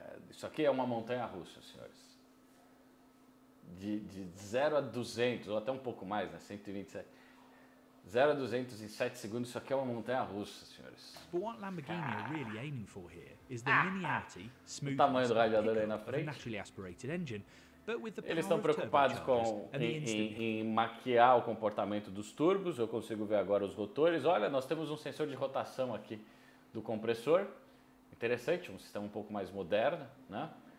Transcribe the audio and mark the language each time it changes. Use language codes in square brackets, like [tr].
[pt] Isso aqui é uma montanha-russa, senhores. De 0 a 200, ou até um pouco mais, né? 127. 0 a 200 em 7 segundos, isso aqui é uma montanha-russa, senhores. [en] But what Lamborghini are really aiming for here is the Miniati, smooth, [pt] o tamanho do radiador aí na frente. [en] Naturally aspirated engine, but with the power. [pt] Eles estão preocupados com em maquiar o comportamento dos turbos. Eu consigo ver agora os rotores. Olha, nós temos um sensor de rotação aqui do compressor. Interessante, um sistema um pouco mais moderno, né?